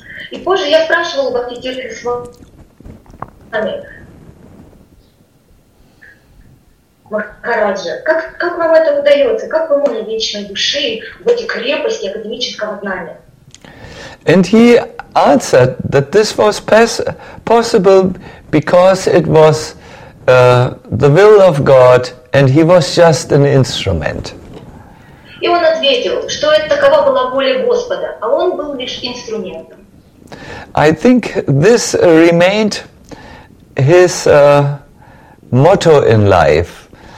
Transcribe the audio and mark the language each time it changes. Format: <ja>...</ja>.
<ru>И позже я спрашивала Бхактитирту Махараджа, как вам это удается? Как вы можете вечной души в эти крепости академического знания?</ru> <en>And he answered that this was possible because it was the will of God, and he was just an instrument.</en> <ru>И он ответил, что это такова была воля Господа, а он был лишь инструментом.</ru> <en>I think this remained his motto in life.</en>